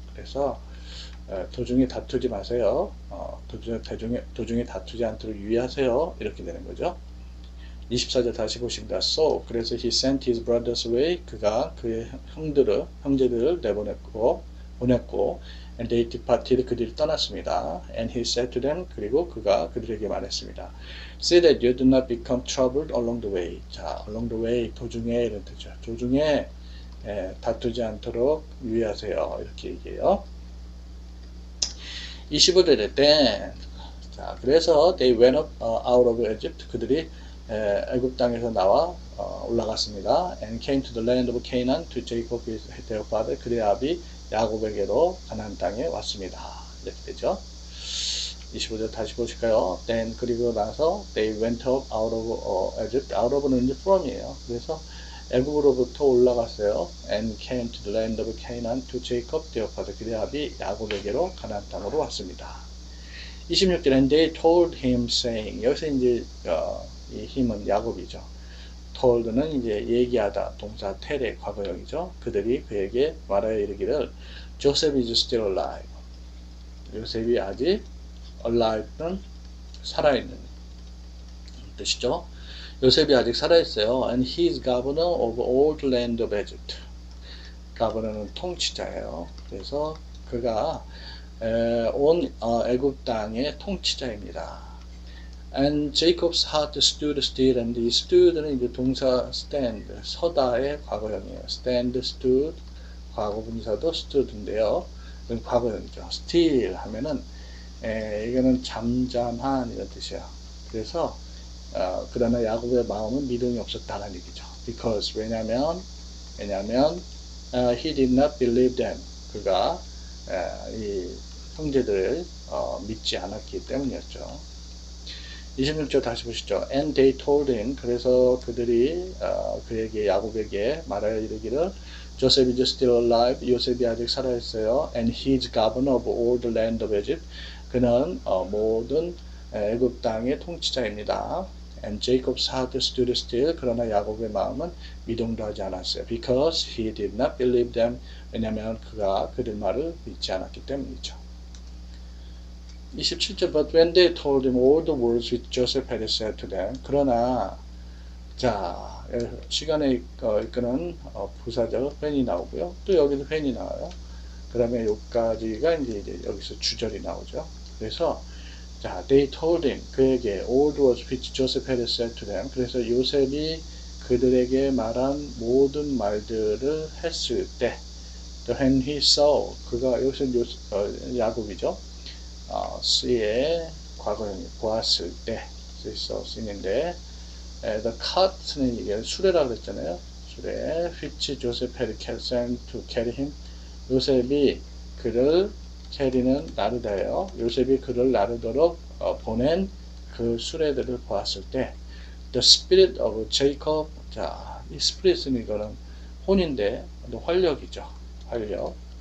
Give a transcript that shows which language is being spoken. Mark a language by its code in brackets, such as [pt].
[ko] 그래서, 도중에 다투지 마세요. 도중에 다투지 않도록 유의하세요. 이렇게 되는 거죠. 24절 다시 보십니다. [en] So, [ko] 그래서 [en] he sent his brothers away. [ko] 그가 그의 형제들을 보냈고, [en] and they departed. [ko] 그들이 떠났습니다. [en] And he said to them. [ko] 그리고 그가 그들에게 말했습니다. [en] See that you do not become troubled along the way. [ko] 자, [en] along the way. [ko] 도중에 이런 뜻이죠. 도중에 다투지 않도록 유의하세요. 이렇게 얘기해요. [en] 25절에 then, [ko] 자, 그래서 [en] they went up out of Egypt. [ko] 그들이 애굽 땅에서 나와 올라갔습니다. [en] And came to the land of Canaan to Jacob his their father. [ko] 그들의 아비 야곱에게로 가나안 땅에 왔습니다. 이렇게 되죠. 25절 다시 보실까요? [en] Then [ko] 그리고 나서 [en] they went up out of Egypt. [ko] Out of는 이제 from이에요. 그래서 애굽으로부터 올라갔어요. [en] And came to the land of Canaan to Jacob, their father. [ko] 그의 아비 야곱에게로 가나안 땅으로 왔습니다. 26절에 [en] and they told him saying [ko] 여기서 이제 이 힘은 야곱이죠. told는 이제 얘기하다 동사 tell의 과거형이죠. 그들이 그에게 말하여 이르기를 [en] Joseph is still alive. [ko] 요셉이 아직 alive는 살아있는 뜻이죠. 요셉이 아직 살아있어요. [en] And he is governor of all the land of Egypt. [ko] governor는 통치자예요. 그래서 그가 온 애굽 땅의 통치자입니다. [en] And Jacob's heart stood still. And he stood는 이제 동사 stand, [ko] 서다의 과거형이에요. stand, stood, 과거분사도 stood인데요. 이건 과거형이죠. still 하면은 이거는 잠잠한 이런 뜻이에요. 그래서 그러나 야곱의 마음은 믿음이 없었다는 얘기죠. [en] Because [ko] 왜냐면 [en] he did not believe them. [ko] 그가 이 형제들을 믿지 않았기 때문이었죠. 26절 다시 보시죠. [en] And they told him. [ko] 그래서 그들이 그에게 야곱에게 말하여 이르기를 [en] Joseph is still alive. [ko] 요셉이 아직 살아있어요. [en] And he is governor of all the land of Egypt. [ko] 그는 모든 애굽 땅의 통치자입니다. [en] And Jacob's heart stood still. [ko] 그러나 야곱의 마음은 미동도 하지 않았어요. [en] Because he did not believe them. [ko] 왜냐하면 그가 그들 말을 믿지 않았기 때문이죠. [en] 27절, But when they told him all the words which Joseph had said to them, [ko] 그러나, 자, 시간에 이끄는 부사적 when이 나오고요. 또 여기도 when이 나와요. 그다음에 여기까지가 이제 여기서 주절이 나오죠. 그래서, 자, [en] they told him, 그에게 all the words which Joseph had said to them. [ko] 그래서 요셉이 그들에게 말한 모든 말들을 했을 때, [en] when he saw, [ko] 그가 요셉, 야곱이죠. 씨의 과거형이 보았을 때, 그래서 씨인데, the cart는 이게 수레라고 그랬잖아요. [en] 수레, which Joseph had sent to carry him. [ko] 요셉이 그를 캐리는 나르다예요. 요셉이 그를 나르도록 보낸 그 수레들을 보았을 때, [en] the spirit of Jacob. [ko] 자, 이 spirit은 이거는 혼인데, 활력이죠. 활력.